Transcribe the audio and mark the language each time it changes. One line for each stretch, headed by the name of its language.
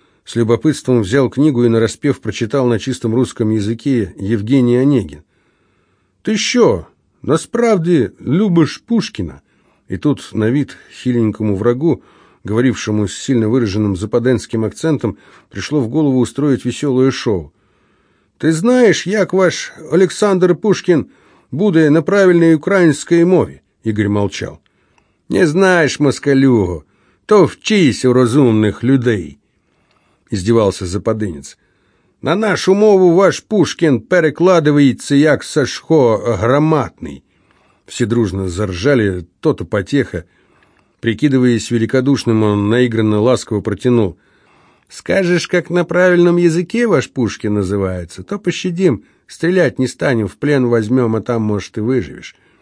Russian: С любопытством взял книгу и, нараспев, прочитал на чистом русском языке Евгений Онегин. «Ты
Ukrainian: що, насправді
Russian: любишь Пушкина?» И тут на вид хиленькому врагу, говорившему с сильно выраженным западенским акцентом, пришло в голову устроить веселое шоу.
Ukrainian: «Ти знаєш, як ваш Олександр Пушкін буде на правильній українській мові?» Ігор мовчав. «Не знаєш, москалюго, то вчись у розумних людей!» Іздівався западенець. «На нашу мову ваш Пушкін перекладається, як Сашко граматний!»
Russian: Все дружно заржали, то-то потеха. Прикидываясь великодушным, он наигранно ласково протянул. «Скажешь, как на правильном языке ваш Пушкин называется, то пощадим, стрелять не станем, в плен возьмем, а там, может, и выживешь».